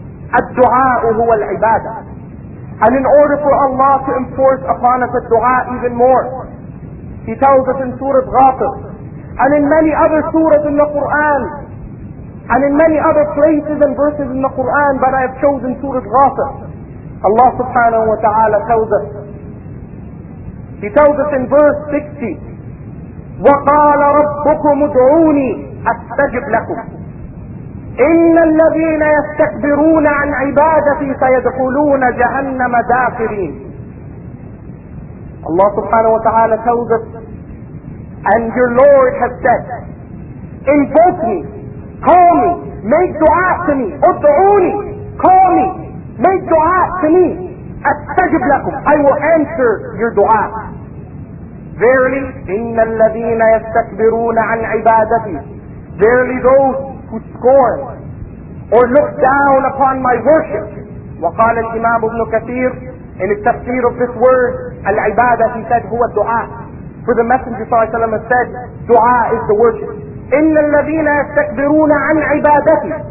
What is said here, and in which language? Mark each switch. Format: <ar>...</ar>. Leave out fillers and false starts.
<ar>الدعاء هو العبادة.</ar> <en>And in order for Allah to enforce upon us a dua even more, He tells us in Surah Ghafir, and in many other surahs in the Qur'an, and in many other places and verses in the Qur'an, but I have chosen Surah Ghafir. Allah subhanahu wa ta'ala tells us, He tells us in verse 60,</en> <ar>وَقَالَ رَبُّكُمُ ادْعُونِي أَسْتَجِبْ لَكُمْ إِنَّ الَّذِينَ يَسْتَكْبِرُونَ عَنْ عِبَادَتِي سَيَدْخُلُونَ جَهَنَّمَ دَاخِرِينَ.</ar> <en>Allah subhanahu wa ta'ala tells us, and your Lord has said, invoke me, call me, make dua to me, ud'uni, call me, make dua to me, astajib lakum, I will answer your dua. Verily,</en> <ar>إِنَّ الَّذِينَ يَسْتَكْبِرُونَ عَنْ عِبَادَتِي.</ar> <en>Verily, those who scorn or look down upon my worship.</en> <ar>وقال الإمام ابن كثير,</ar> <en>in the tafsir of this word, العبادة, he said,</en> <ar>هو الدعاء.</ar> <en>For the Messenger صلى الله عليه وسلم has said, دعاء is the worship.</en> <ar>إِنَّ الَّذِينَ يَسْتَكْبِرُونَ عَنْ عِبَادَتِي.</ar>